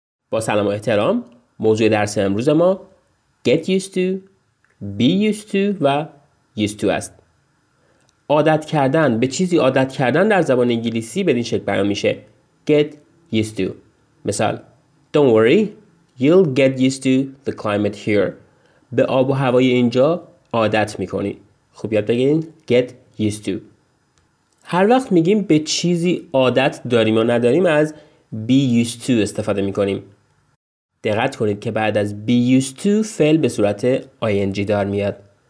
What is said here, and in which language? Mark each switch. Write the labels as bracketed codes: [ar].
[fa] با سلام و احترام، موضوع درس امروز ما Get used to, be used to و used to است. عادت کردن، به چیزی عادت کردن در زبان انگلیسی به این شکل بیان میشه Get used to. [en] مثال Don't worry, you'll get used to the climate here. [fa] به آب و هوای اینجا عادت میکنی. خوب یاد بگیرین Get used to. هر وقت میگیم به چیزی عادت داریم و نداریم از Be used to استفاده میکنیم. دقت کنید که بعد از Be used to فعل به صورت ing دار میاد.